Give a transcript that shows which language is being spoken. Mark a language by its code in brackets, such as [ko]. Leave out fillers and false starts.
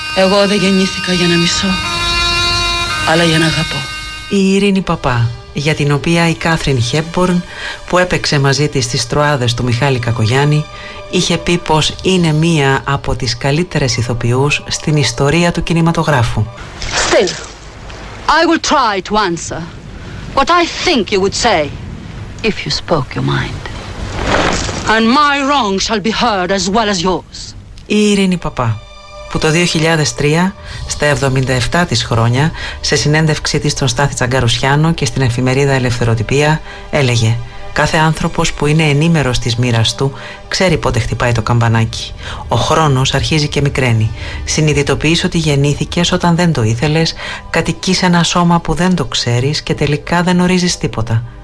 [el] Εγώ δεν γεννήθηκα για να μισώ, αλλά για να αγαπώ. Η Ειρήνη Παπά, για την οποία η Κάθριν Χέπμπορν, που έπαιξε μαζί της στις Τροάδες του Μιχάλη Κακογιάννη, είχε πει πως είναι μία από τις καλύτερες ηθοποιούς στην ιστορία του κινηματογράφου. [en] Still, I will try to answer what I think you would say if you spoke your mind. And my wrong shall be heard as well as yours. [el] Η Ειρήνη Παπά, που το 2003, στα 77 της χρόνια, σε συνέντευξή της στον Στάθη Τσαγκαρουσιάνο και στην εφημερίδα Ελευθεροτυπία, έλεγε: «Κάθε άνθρωπος που είναι ενήμερος της μοίρας του ξέρει πότε χτυπάει το καμπανάκι. Ο χρόνος αρχίζει και μικραίνει. Συνειδητοποιείς ότι γεννήθηκες όταν δεν το ήθελες, κατοικείς σε ένα σώμα που δεν το ξέρεις και τελικά δεν ορίζεις τίποτα.